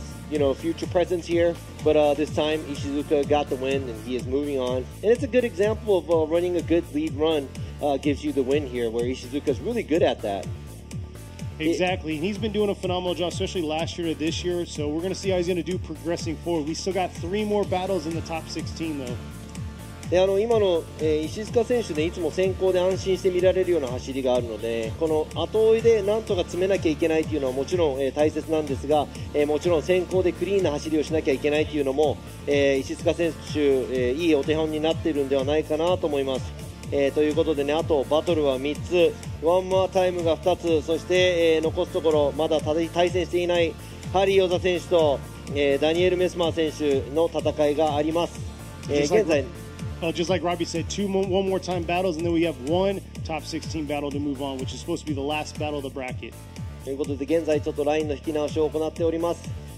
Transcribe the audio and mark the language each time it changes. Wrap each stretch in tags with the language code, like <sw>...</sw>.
<en>You know, future presence here, but this time Ishizuka got the win and he is moving on. And it's a good example of running a good lead run gives you the win here, where Ishizuka is really good at that. Exactly, he's been doing a phenomenal job, especially last year to this year. So we're going to see how he's going to do progressing forward. We still got three more battles in the top 16 though.</en> <ja>で今の、石塚選手ね、いつも先行で安心して見られるような走りがあるので、この後追いでなんとか詰めなきゃいけないというのはもちろん、大切なんですが、もちろん先行でクリーンな走りをしなきゃいけないというのも、石塚選手、いいお手本になっているのではないかなと思います。ということでね、あとバトルは3つ、ワンモアタイムが2つ、そして、残すところまだ対戦していないハリー・ヨザ選手と、ダニエル・メスマー選手の戦いがあります。現在</ja> <en>Just like Robbie said, one more time battles, and then we have one top 16 battle to move on, which is supposed to be the last battle of the bracket.</en> <ja>ということで現在ちょっとラインの引き直しを行っております。</ja>